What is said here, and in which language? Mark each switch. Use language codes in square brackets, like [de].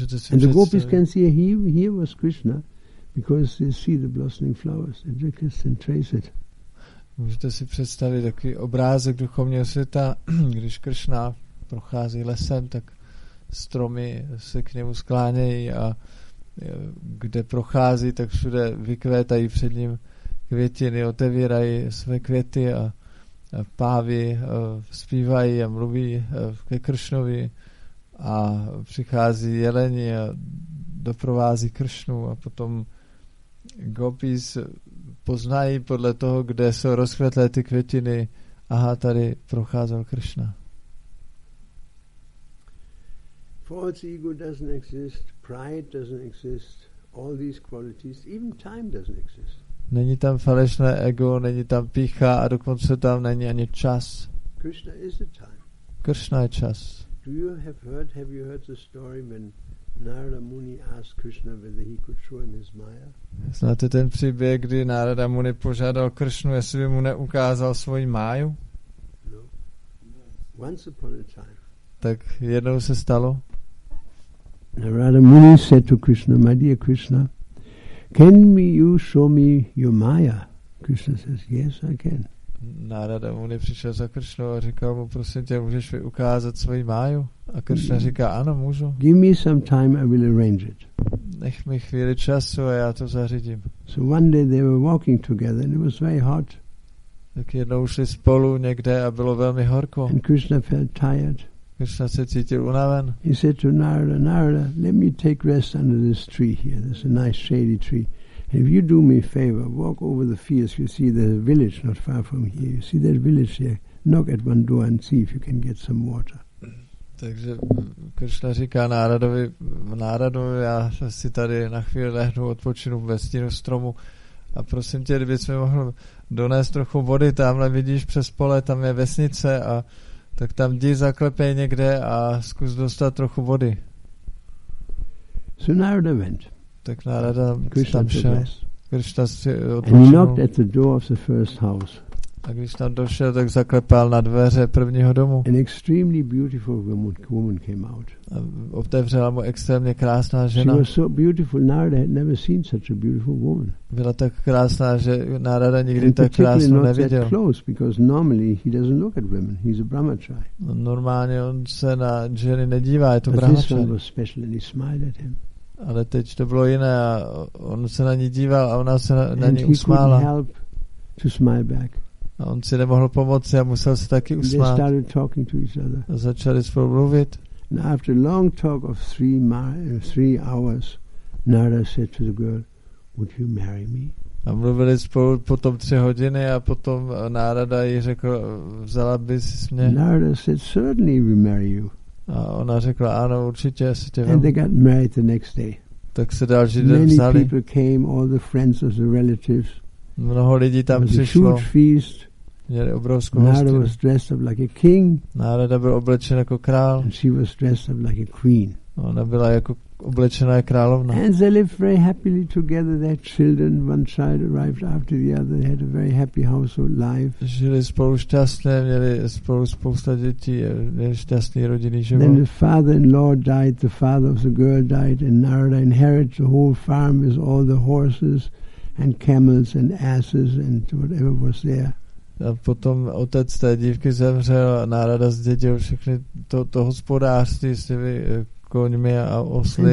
[en] And the gopis can see here was Krishna, because they see the blossoming flowers and they can trace it. [cs] Můžete si představit takový obrázek duchovního světa, když Krishna prochází lesem, tak stromy se k němu sklánějí a kde prochází, tak všude vykvétají před ním květiny, otevírají své květy a pávy zpívají a mluví ke Kršnovi a přichází jeleni a doprovází Kršnu a potom gopis poznají podle toho, kde jsou rozkvětlé ty květiny. Aha, tady procházel Kršna. [en] False ego doesn't exist, pride doesn't exist, all these qualities, even time doesn't exist. [cs] Není tam falešné ego, není tam pýcha a dokonce tam není ani čas. [en] Krishna is the time. [cs] Krishna je čas. [en] Do you have you heard the story when Narada Muni asked Krishna whether he could show him his Maya? [cs] Znáte ten příběh, kdy Narada Muni požádal Kršnu, jestli by mu neukázal svoji máju? [en] No. Once upon a time. [cs] Tak jednou se stalo. [en] Narada Muni said to Krishna, my dear Krishna, can you show me your Maya? Krishna says, yes, I can. [cs] Narada Muni přišel za Kršnou a říkal mu, prosím tě, můžeš mi ukázat svoji máju? A Kršna říká, ano, můžu. [en] Give me some time, I will arrange it. [cs] Nech mi chvíli času a já to zařídím. [en] So one day they were walking together and it was very hot. [cs] Tak jednou šli spolu někde a bylo velmi horko. [en] And Krishna felt tired. [cs] Krishna se cítil unaven. [en] He said to Narada, Narada, let me take rest under this tree here. There's a nice shady tree. And if you do me a favor, walk over the fields, you see there's a village not far from here. You see that village here. Knock at one door and see if you can get some water. [cs] Takže Krishna říká Náradovi, Náradovi, já si tady na chvíli lehnu, odpočinu ve stínu stromu a prosím tě, kdyby jsi mohl donést trochu vody, tamhle vidíš přes pole, tam je vesnice a tak tam jdi zaklepej někde a zkus dostat trochu vody. [en] So Narada went. [cs] Tak Narada tam šel. Krishna si odpočinu. [en] And he knocked at the door of the first house. [cs] A když tam došel, tak zaklepal na dveře prvního domu. [en] An extremely beautiful woman came out. [cs] A otevřela mu extrémně krásná žena. [en] She was so beautiful, Narada had never seen such a beautiful woman. [cs] Byla tak krásná, že Narada nikdy tak krásnou neviděl. [en] That close, because normally he doesn't look at women. He's a brahmachari. [cs] Normálně on se na ženy nedívá, je to brahmachari. [en] But this one was special and he smiled at him. [cs] Ale teď to bylo jiné a on se na ní díval a ona se na ní usmála. [en] And he couldn't help to smile back. [cs] A on si nemohl pomoci a musel se taky usmát. [en] They started talking to each other. [cs] A začali spolu mluvit. [en] And after a long talk of three hours, Narada said to the girl, would you marry me? [cs] A mluvili spolu potom tři hodiny a potom Narada jí řekl, vzala bys mě? [en] Narada said, certainly we marry you. [cs] A ona řekla, ano, určitě se tě vám. [en] And they got married the next day. [cs] Tak se další den vzali. [en] Many people came, all the friends of the relatives. [cs] Mnoho lidí tam přišlo. Měli obrovskou hostinu. [en] Narada was dressed up like a king. [cs] Narada byl oblečen jako král. [en] And she was dressed up like a queen. [cs] Ona byla jako oblečená královna. [en] And they lived very happily together. Their children, one child arrived after the other. They had a very happy household life. [cs] Žili spolu šťastně, měli spolu spousta dětí, měli šťastný rodinný život. [en] Then the father-in-law died, the father of the girl died, and Narada inherited the whole farm with all the horses and camels and asses and whatever was there. [cs] A potom otec té dívky zemřel a Narada zdědil všechny to hospodářství s těmi koňmi a osly.